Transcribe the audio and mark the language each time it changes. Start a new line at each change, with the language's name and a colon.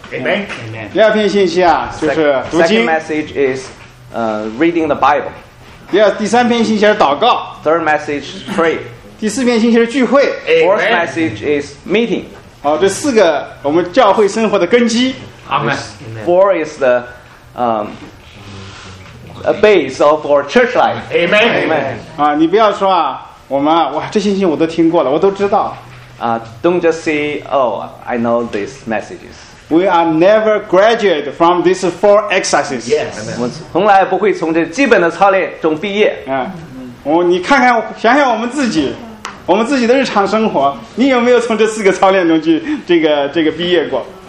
English: Amen.
Chinese: 第二篇信息啊，就是读经。
English: Second message is reading the Bible.
Chinese: 第三篇信息是祷告。
English: Third message is pray.
Chinese: 第四篇信息是聚会。
English: Amen. Fourth message is meeting.
Chinese: 好，这四个我们教会生活的根基。
English: Amen. Four is the a base of our church life. Amen. Amen.
Chinese: 啊，你不要说啊，我们啊，哇，这信息我都听过了，我都知道。
English: Don't just say, oh, I know these messages. We are never graduate from these 4 exercises. Yes.
Chinese: 我从来不会从这基本的操练中毕业。你看看，想想我们自己，我们自己的日常生活，你有没有从这四个操练中去这个毕业过？